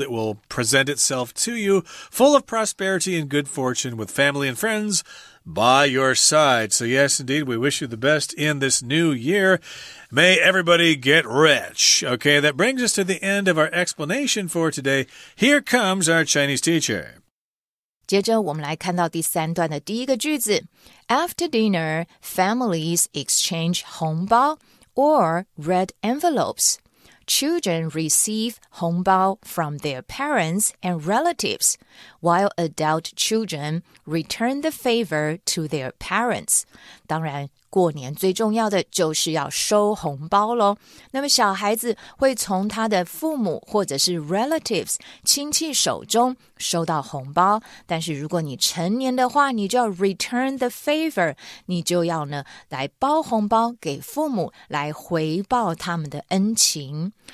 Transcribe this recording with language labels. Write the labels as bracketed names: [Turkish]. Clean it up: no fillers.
[English] It will present itself to you full of prosperity and good fortune with family and friends by your side. So yes, indeed, we wish you the best in this new year. May everybody get rich. Okay, that brings us to the end of our explanation for today. Here comes our Chinese teacher. [Chinese] 接着我们来看到第三段的第一个句子。 [English] After dinner, families exchange 红包 or red envelopes. Children receive 红包 from their parents and relatives, while adult children return the favor to their parents. [Chinese] 当然过年最重要的就是要收红包咯。那么小孩子会从他的父母或者是 relatives 亲戚手中收到红包，但是如果你成年的话，你就要 [English] return the favor， [Chinese] 你就要呢来包红包给父母，来回报他们的恩情。